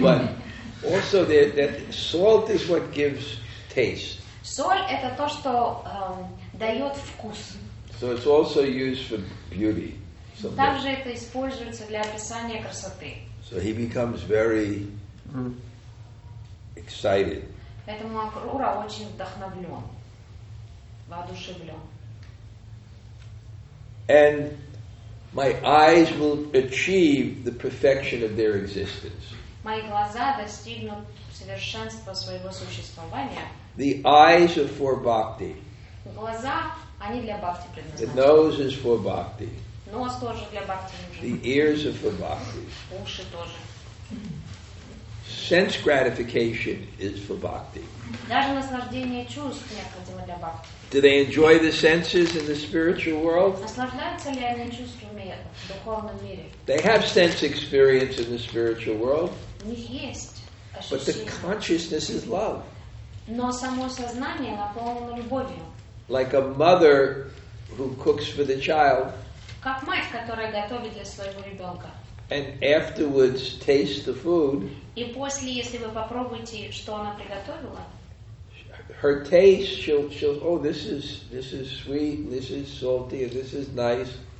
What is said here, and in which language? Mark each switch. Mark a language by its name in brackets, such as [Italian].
[English] But also that salt is what gives taste. [Russian] Соль это то, что дает вкус. [English] So it's also used for beauty. [Russian] Также это используется для описания красоты. [English] So he becomes very excited. [Russian] Поэтому Акрура очень вдохновлен. [English] And my eyes will achieve the perfection of their existence. [Russian] мои глаза достигнут совершенства своего существования. [English] The eyes are for bhakti. [Russian] Глаза, они для бхакти предназначены. [English] The nose is for bhakti. [Russian] Нос тоже для бхакти нужен. [English] The ears are for bhakti. [Russian] Уши тоже. [English] Sense gratification is for bhakti. [Russian] Даже наслаждение чувств необходимо для бхакти. [English] Do they enjoy the senses in the spiritual world? [Russian] Наслаждаются ли они чувствами в духовном мире? [English] They have sense experience in the spiritual world. [Russian] У них есть ощущение. [English] But the consciousness is love. [Russian] Но само сознание наполнено любовью. [English] Like a mother who cooks for the child. [Russian] Как мать, которая готовит для своего ребенка. [English] And afterwards taste the food. [Russian] И после, если вы попробуете, что она приготовила. [English] Her taste, she'll oh, this is sweet, this is salty, this is nice.